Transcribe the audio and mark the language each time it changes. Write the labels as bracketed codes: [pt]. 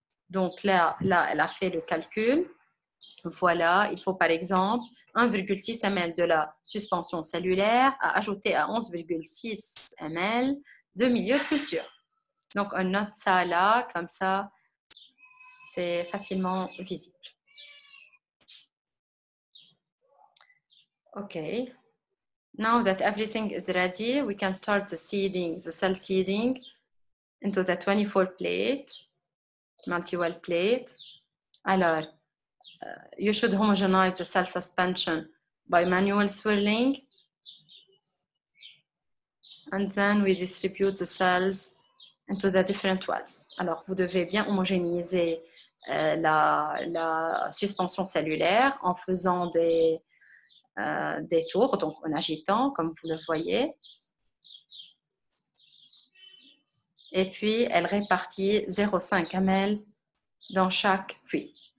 [fr] Donc là, elle a fait le calcul. Voilà, il faut par exemple 1,6 ml de la suspension cellulaire à ajouter à 11,6 ml de milieu de culture. Donc on note ça là, comme ça, c'est facilement visible. OK. [en] Now that everything is ready, we can start the seeding, the cell seeding into the 24 plate, multi-well plate. [fr] Alors, [en] you should homogenize the cell suspension by manual swirling. And then we distribute the cells into the different wells. [fr] Alors, vous devez bien homogénéiser la suspension cellulaire en faisant des tours, donc en agitant, comme vous le voyez. Et puis, elle répartit 0,5 ml dans chaque puits.